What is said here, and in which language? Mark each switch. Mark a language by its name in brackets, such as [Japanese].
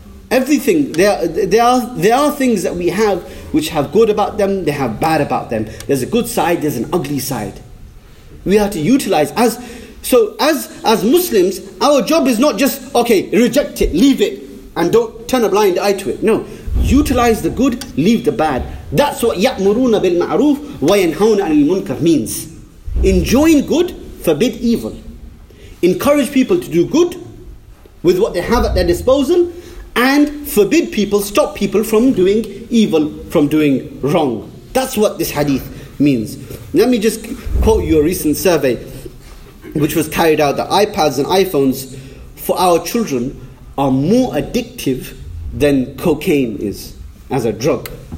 [English] Everything, there are things that we have which have good about them, they have bad about them. There's a good side, there's an ugly side. We have to utilize. As Muslims, our job is not just, okay, reject it, leave it, and don't turn a blind eye to it. No. Utilize the good, leave the bad. That's what [Arabic] يَأْمُرُونَ بِالْمَعْرُوفِ وَيَنْهَوْنَ عَنِ الْمُنْكَرِ means. [English] Enjoin good, forbid evil. Encourage people to do good with what they have at their disposal, and forbid people, stop people from doing evil, from doing wrong. That's what this hadith means. Let me just quote you a recent survey which was carried out, that iPads and iPhones for our children are more addictive than cocaine is as a drug.